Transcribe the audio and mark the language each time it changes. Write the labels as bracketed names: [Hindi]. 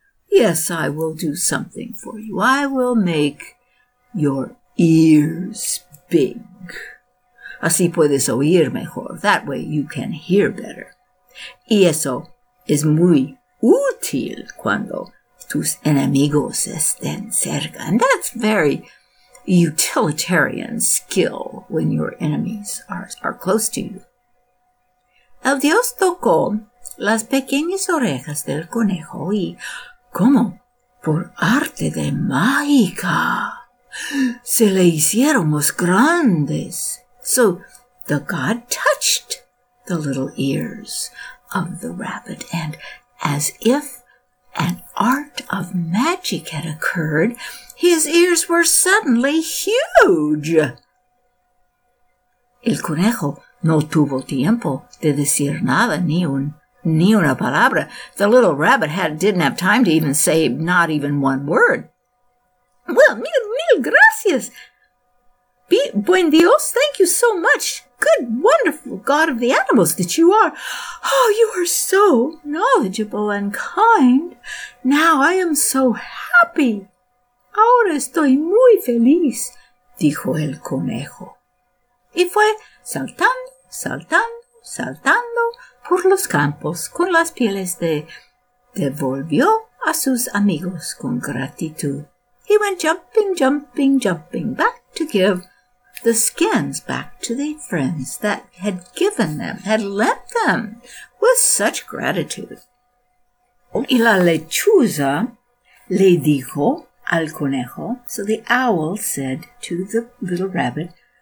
[English] Yes, I will do something for you. I will make your ears big. [Spanish] Así puedes oír mejor. [English] That way you can hear better. [Spanish] Y eso es muy útil cuando tus enemigos estén cerca. [English] And that's very utilitarian skill when your enemies are close to you. [Spanish] El dios tocó las pequeñas orejas del conejo y, como por arte de mágica, se le hicieron los grandes. [English] So the god touched the little ears of the rabbit, and as if an art of magic had occurred, his ears were suddenly huge. [Spanish] El conejo no tuvo tiempo de decir nada, ni una palabra. [English] The little rabbit didn't have time to even say not even one word. Well, [Spanish] mil gracias. Buen Dios, [English] thank you so much. Good, wonderful God of the animals that you are. Oh, you are so knowledgeable and kind. Now I am so happy. [Spanish] Ahora estoy muy feliz, dijo el conejo. Y fue saltando, saltando, saltando por los campos con las pieles de... Devolvió a sus amigos con gratitud. [English] He went jumping, jumping, jumping back to give the skins back to the friends that had given them, had lent them, with such gratitude. [Spanish] Y la lechuza le dijo al conejo, [English] so the owl said to the little rabbit,